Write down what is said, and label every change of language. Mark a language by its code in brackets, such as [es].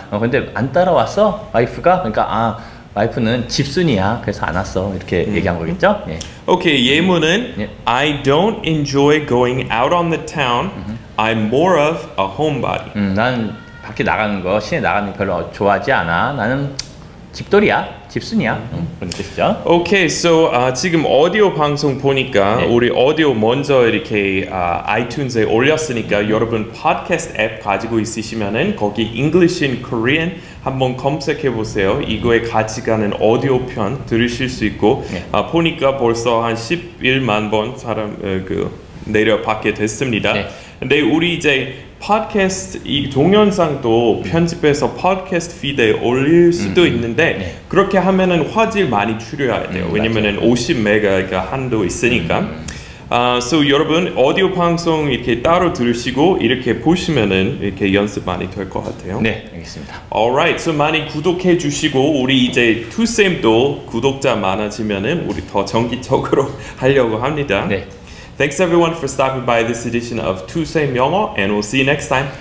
[ko] 근데 안 따라왔어, 와이프가. 그러니까 아, 와이프는 집순이야. 그래서 안 왔어 이렇게 얘기한 거겠죠. 예. [en] Okay, 예문은 I don't enjoy going out on the town. I'm more of a homebody. [ko] 난 밖에 나가는 거, 시내 나가는 거 별로 좋아하지 않아. 나는 집돌이야, 집순이야. 그런 뜻이죠. Okay, so 지금 오디오 방송 보니까 네. 우리 오디오 먼저 이렇게 iTunes에 올렸으니까 여러분 팟캐스트 앱 가지고 있으시면은 거기 English in Korean 한번 검색해 보세요. 이거에 같이 가는 오디오 편 들으실 수 있고 네. 보니까 벌써 한 11만 번 사람 내려받게 됐습니다. 네. 근데 우리 이제 팟캐스트 이 동영상도 편집해서 팟캐스트 피드에 올릴 수도 있는데 네. 그렇게 하면은 화질 많이 줄여야 돼요. 왜냐면은 50메가가 한도 있으니까. So 여러분 오디오 방송 이렇게 따로 들으시고 이렇게 보시면은 이렇게 연습 많이 될 것 같아요. 네, 알겠습니다. Alright, so 많이 구독해 주시고 우리 이제 투쌤도 구독자 많아지면은 우리 더 정기적으로 하려고 합니다. 네. [en] Thanks everyone for stopping by this edition of 투쌤 영어 and we'll see you next time.